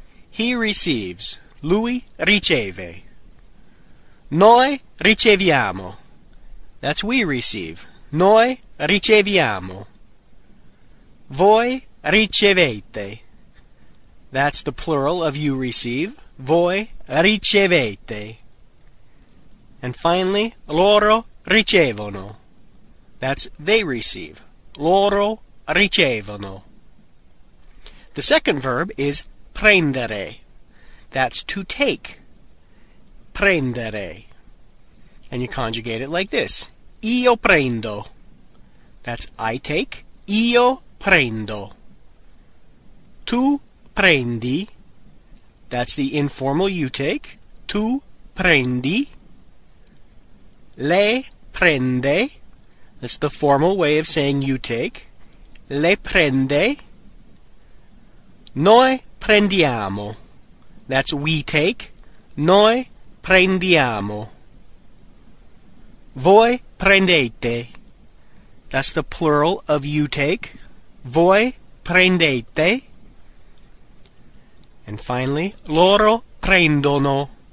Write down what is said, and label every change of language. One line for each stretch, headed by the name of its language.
English: He receives.
Italian: Lui riceve. Noi riceviamo.
English: That's we receive.
Italian: Noi riceviamo. Voi ricevete.
English: That's the plural of you receive.
Italian: Voi ricevete.
English: And finally,
Italian: loro ricevono.
English: That's they receive.
Italian: Loro ricevono.
English: The second verb is prendere. That's to take. Prendere. And you conjugate it like this.
Italian: Io prendo.
English: That's I take.
Italian: Io prendo. Tu prendi.
English: That's the informal you take.
Italian: Tu prendi. Lei prende.
English: That's the formal way of saying you take.
Italian: Le prende. Noi prendiamo.
English: That's we take.
Italian: Noi prendiamo. Voi prendete.
English: That's the plural of you take.
Italian: Voi prendete.
English: And finally,
Italian: loro prendono.